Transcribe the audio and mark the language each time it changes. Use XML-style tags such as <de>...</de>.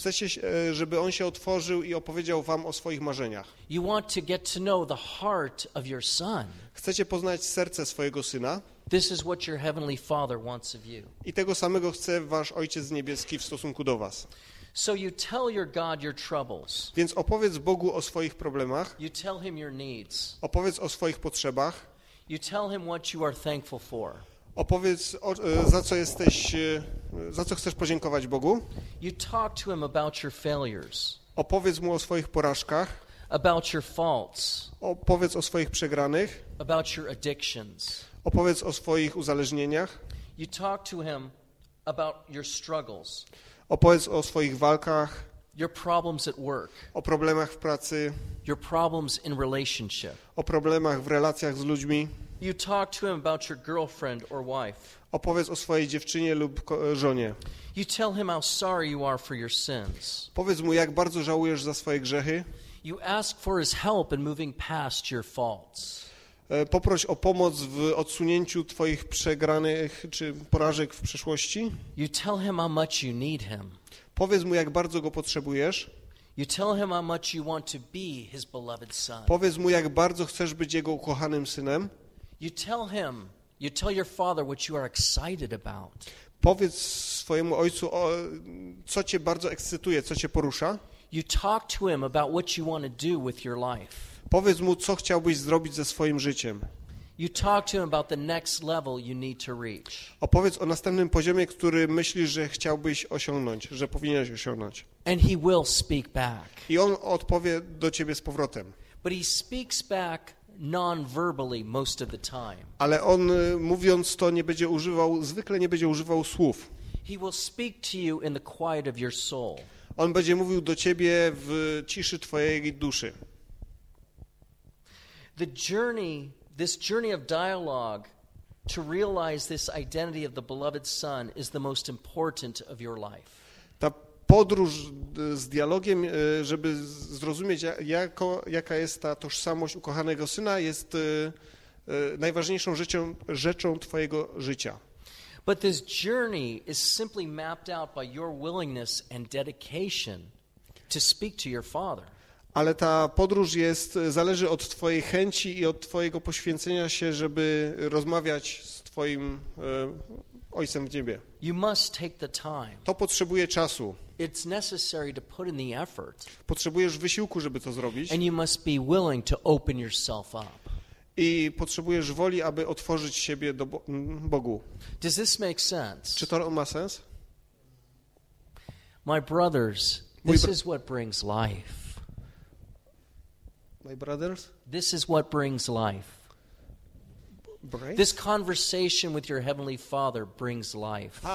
<pl>Chcecie, żeby on się otworzył i opowiedział wam o swoich marzeniach.</pl> <en>You want to get to know the heart of your son.</en> <pl>Chcecie poznać serce swojego syna.</pl> <en>This is what your heavenly father wants of you.</en> <pl>I tego samego chce wasz Ojciec Niebieski w stosunku do was.</pl> <en>So you tell your God your troubles.</en> <pl>Więc opowiedz Bogu o swoich problemach.</pl> <en>You tell him your needs.</en> <pl>Opowiedz o swoich potrzebach.</pl> <en>You tell him what you are thankful for.</en> <pl>Opowiedz, za co jesteś, za co chcesz podziękować Bogu.</pl> <en>You talk to him about your failures.</en> <pl>Opowiedz mu o swoich porażkach.</pl> <en>About your faults.</en> <pl>Opowiedz o swoich przegranych.</pl> <en>About your addictions.</en> <pl>Opowiedz o swoich uzależnieniach.</pl> <en>You talk to him about your struggles.</en> <pl>Opowiedz o swoich walkach.</pl> <en>Your problems at work.</en> <pl>O problemach w pracy.</pl> <en>Your problems in relationship.</en> <pl>O problemach w relacjach z ludźmi.</pl> <en>You talk to him about your girlfriend or wife.</en> <pl>Opowiedz o swojej dziewczynie lub żonie.</pl> <en>You tell him how sorry you are for your sins.</en> <pl>Powiedz mu, jak bardzo żałujesz za swoje grzechy.</pl> <en>You ask for his help in moving past your faults.</en> <pl>Poproś o pomoc w odsunięciu twoich przegranych czy porażek w przeszłości.</pl> <en>You tell him how much you need him.</en> <pl>Powiedz mu, jak bardzo go potrzebujesz.</pl> <en>You tell him how much you want to be his beloved son.</en> <pl>Powiedz mu, jak bardzo chcesz być jego ukochanym synem.</pl> <en>You tell your father what you are excited about.</en> <pl>Powiedz swojemu ojcu, co cię bardzo ekscytuje, co cię porusza.</pl> <en>You talk to him about what you want to do with your life.</en> <pl>Powiedz mu, co chciałbyś zrobić ze swoim życiem.</pl> <en>You talk to him about the next level you need to reach.</en> <pl>Opowiedz o następnym poziomie, który myślisz, że chciałbyś osiągnąć, że powinieneś osiągnąć.</pl> <en>And he will speak back.</en> <pl>I on odpowie do ciebie z powrotem.</pl> <en>But he speaks back non-verbally most of the time.</en> <pl>Ale on mówiąc to nie będzie używał, zwykle nie będzie używał słów.</pl> <en>He will speak to you in the quiet of your soul.</en> <pl>On będzie mówił do ciebie w ciszy twojej duszy.</pl> <en>The journey, this journey of dialogue to realize this identity of the beloved son is the most important of your life.</en> <pl>Ta podróż z dialogiem, żeby zrozumieć, jaka jest ta tożsamość ukochanego syna, jest najważniejszą rzeczą twojego życia.</pl> <en>But this journey is simply mapped out by your willingness and dedication to speak to your father.</en> <pl>Ale ta podróż zależy od twojej chęci i od twojego poświęcenia się, żeby rozmawiać z twoim Ojcem w niebie.</pl> <en>You must take the time.</en> <pl>To potrzebuje czasu.</pl> <en>It's necessary to put in the effort.</en> <pl>Potrzebujesz wysiłku, żeby to zrobić.</pl> <en>And you must be willing to open yourself up.</en> <pl>I potrzebujesz woli, aby otworzyć siebie do Bogu.</pl> <en>Does this make sense?</en> <pl>Czy to ma sens?</pl> <en>My brothers, this is what brings life. My brothers? This is what brings life. This conversation with your heavenly father brings life.</en>